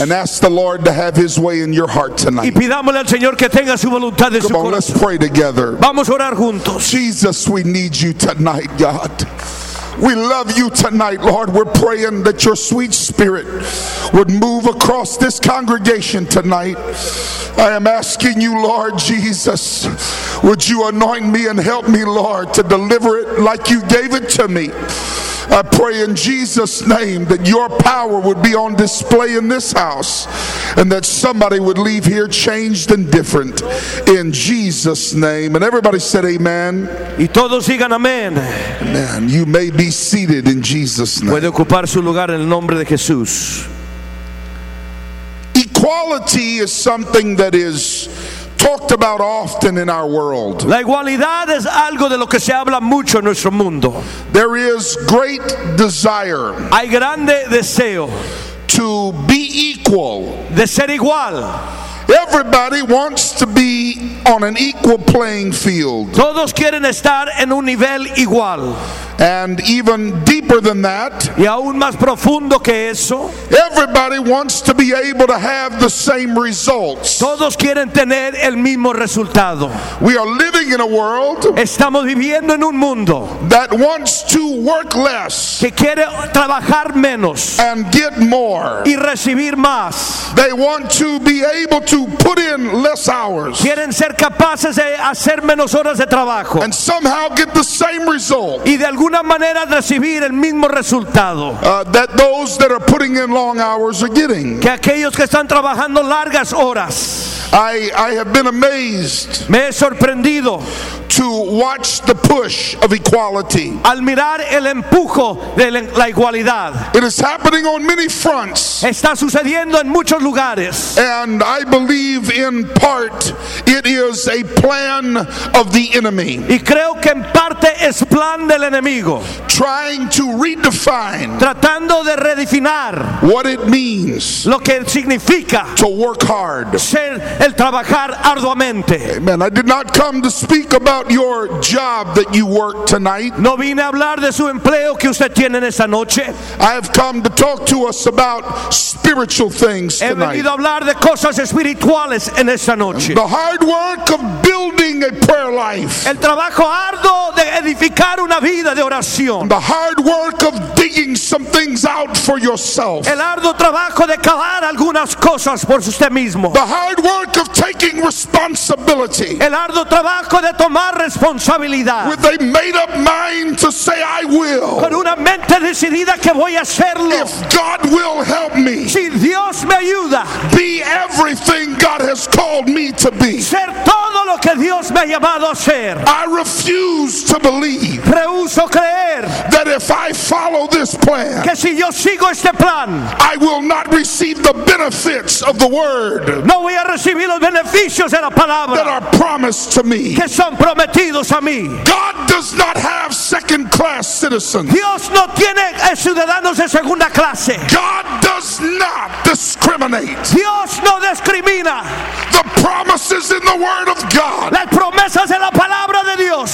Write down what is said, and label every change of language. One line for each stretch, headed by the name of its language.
English: And ask the Lord to have His way in your heart tonight.
Spanish: Y pidámosle al Señor que tenga su voluntad en su corazón.
English: Come on, let's pray together.
Spanish: Vamos a orar juntos.
English: Jesus, we need you tonight, God. We love you tonight, Lord. We're praying that your sweet spirit would move across this congregation tonight. I am asking you, Lord Jesus, would you anoint me and help me, Lord, to deliver it like you gave it to me. I pray in Jesus' name that your power would be on display in this house and that somebody would leave here changed and different in Jesus' name. And everybody said amen.
Spanish: Y todos digan amén. Amen.
English: You may be seated in Jesus' name.
Spanish: Puede ocupar su lugar en el nombre de Jesús.
English: Equality is something that is talked about often in our world.
Spanish: La igualdad es algo de lo que se habla mucho en nuestro mundo.
English: There is great desire.
Spanish: Hay grande deseo.
English: To be equal.
Spanish: De ser igual.
English: Everybody wants to be on an equal playing field.
Spanish: Todos quieren estar en un nivel igual.
English: And even deeper than that,
Spanish: y aún más profundo que eso,
English: everybody wants to be able to have the same results.
Spanish: Todos quieren tener el mismo resultado.
English: We are living in a world,
Spanish: estamos viviendo en un mundo,
English: that wants to work less,
Spanish: que quiere trabajar menos,
English: and get more,
Spanish: y recibir más.
English: They want to be able to put in less hours.
Spanish: Quieren ser capaces de hacer menos horas de trabajo.
English: And somehow get the same result.
Spanish: Y de alguna manera recibir el mismo resultado.
English: That those that are putting in long hours are getting.
Spanish: Que aquellos que están trabajando largas horas.
English: I have been amazed.
Spanish: Me he sorprendido.
English: To watch the push of equality.
Spanish: Al mirar el empujo de la igualdad.
English: It is happening on many fronts.
Spanish: Está sucediendo en muchos lugares.
English: And I believe in part it is a plan of the enemy.
Spanish: Y creo que en parte es plan del enemigo.
English: Trying to redefine.
Spanish: Tratando de redefinir.
English: What it means.
Spanish: Lo que significa.
English: To work hard.
Spanish: Ser el trabajar arduamente. Amen.
English: I did not come to speak about your job that you work tonight.
Spanish: No vine a hablar de su empleo que usted tiene esta noche.
English: I have come to talk to us about spiritual things tonight.
Spanish: He venido a hablar de cosas espirituales en esta noche.
English: The hard work of building a prayer life.
Spanish: El trabajo arduo de edificar una vida de oración.
English: The hard work of digging some things out for yourself.
Spanish: El arduo trabajo de cavar algunas cosas por usted mismo.
English: The hard work of taking responsibility.
Spanish: El arduo trabajo de tomar responsabilidad.
English: With a made up mind to say I will.
Spanish: Con una mente decidida que voy a hacerlo.
English: If God will help me.
Spanish: Si Dios me ayuda.
English: Be everything God has called me to be.
Spanish: Ser todo lo que Dios me ha llamado a ser.
English: I refuse to believe.
Spanish: Rehúso creer.
English: That if I follow this plan.
Spanish: Que si yo sigo este plan.
English: I will not receive the benefits of the word.
Spanish: No voy a recibir los beneficios de la palabra.
English: That are promised to me.
Spanish: Que son prometidos a mí.
English: God does not have second class citizens.
Spanish: Dios no tiene ciudadanos de segunda clase.
English: God does not discriminate.
Spanish: Dios no discrimina.
English: The promises in the word of God.
Spanish: Las promesas en la palabra de Dios.